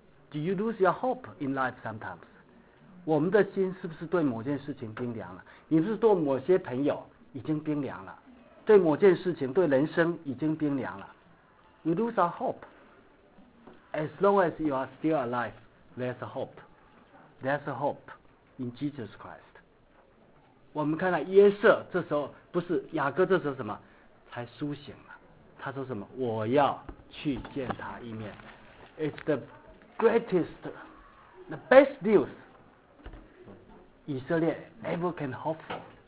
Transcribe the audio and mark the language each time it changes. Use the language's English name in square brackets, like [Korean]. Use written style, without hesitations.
[English] Do you lose your hope in life sometimes? [Chinese] 我们的心是不是对某件事情冰凉了？你是对某些朋友已经冰凉了，对某件事情，对人生已经冰凉了。 [English] You lose our hope. As long as you are still alive, there's a hope. There's a hope in Jesus Christ. [Chinese] 我们看到约瑟这时候，不是雅各这时候什么才苏醒了，他说什么？我要去见他一面。 [English] It's the greatest, the best news 以色列 ever can hope for。